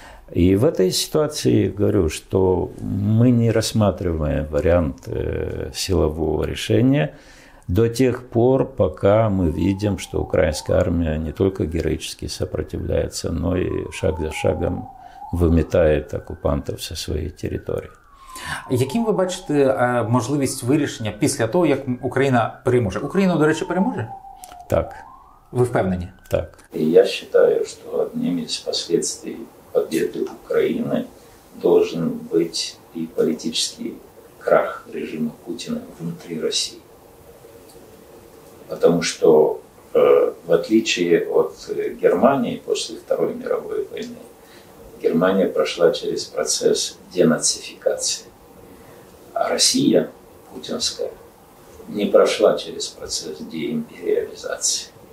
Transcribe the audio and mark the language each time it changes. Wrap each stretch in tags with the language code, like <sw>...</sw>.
<ru>И в этой ситуации говорю, что мы не рассматриваем вариант силового решения до тех пор, пока мы видим, что украинская армия не только героически сопротивляется, но и шаг за шагом выметает оккупантов со своей территории.</ru> <uk>Яким ви бачите можливість вирішення після того, як Україна переможе? Україна, до речі, переможе? Так. Ви впевнені? Так. Я вважаю, що одним із наслідків перемоги України має бути і політичний крах режиму Путіна внутрі Росії.</uk> <ru>Потому что в отличие от Германии после Второй мировой войны, Германия прошла через процесс денацификации. А Россия путинская не прошла через процесс деимпериализации.</ru>